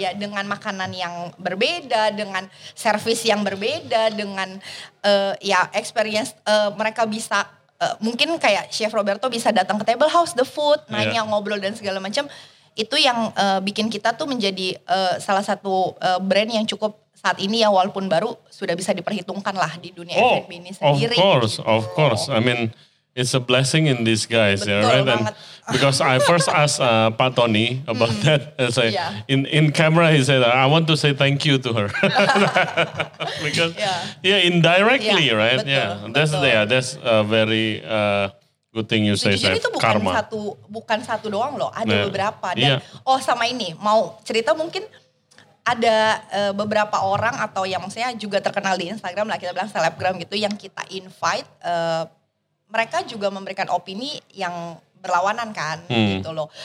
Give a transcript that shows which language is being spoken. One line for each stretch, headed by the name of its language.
Indonesian: Ya, dengan makanan yang berbeda, dengan servis yang berbeda, dengan ya experience mereka bisa mungkin kayak Chef Roberto bisa datang ke Table House,
English: the food,
Indonesian: nanya, ngobrol dan segala macam. Itu yang bikin kita tuh menjadi salah satu brand yang cukup saat ini ya walaupun baru sudah bisa diperhitungkan lah di dunia F&B ini sendiri.
English: Of course. I mean, it's a blessing in disguise,
Indonesian: betul,
English: right? And because I first asked Pak Tony about that. It's like in camera, he said, "I want to say thank you to her." Because indirectly, right?
Indonesian: Betul,
English: yeah, that's that's a very good thing you say.
Indonesian: Jadi itu bukan karma. Bukan satu doang loh. Ada beberapa. Dan, oh, sama ini mau cerita mungkin ada beberapa orang atau yang maksudnya juga terkenal di Instagram lah, kita bilang selebgram gitu, yang kita invite, mereka juga memberikan opini yang berlawanan kan, gitu loh.